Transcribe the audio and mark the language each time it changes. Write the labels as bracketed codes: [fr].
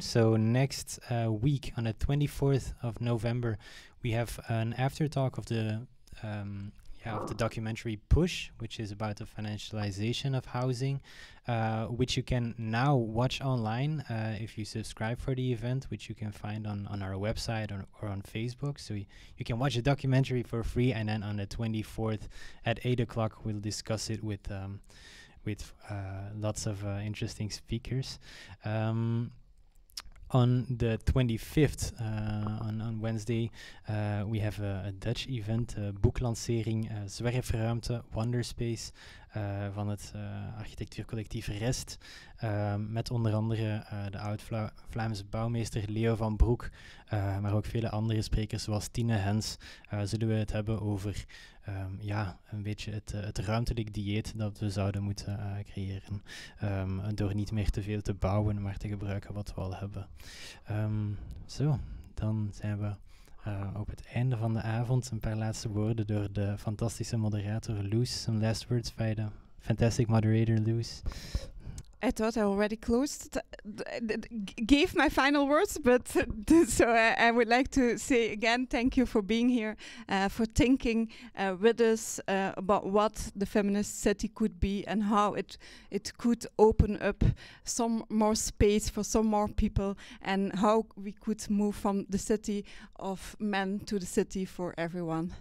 [en] So next week on the 24th of November, we have an after talk of the of the documentary Push, which is about the financialization of housing, which you can now watch online if you subscribe for the event, which you can find on our website or on Facebook. So you can watch the documentary for free, and then on the 24th at 8 o'clock, we'll discuss it with lots of interesting speakers. On the 25th, on Wednesday, we have a Dutch event, [nl] boeklancering Zwerfruimte, Wonder Space, van het architectuurcollectief REST, met onder andere de oud-Vlaamse bouwmeester Leo van Broek, maar ook vele andere sprekers zoals Tine Hens, zullen we het hebben over een beetje het ruimtelijk dieet dat we zouden moeten creëren. Door niet meer te veel te bouwen, maar te gebruiken wat we al hebben. Dan zijn we op het einde van de avond. Een paar laatste woorden door de fantastische moderator Loes. [en] Some last words by the fantastic moderator Loes. I thought I already closed. Gave my final words, but I would like to say again, thank you for being here, for thinking with us about what the feminist city could be and how it could open up some more space for some more people, and how we could move from the city of men to the city for everyone.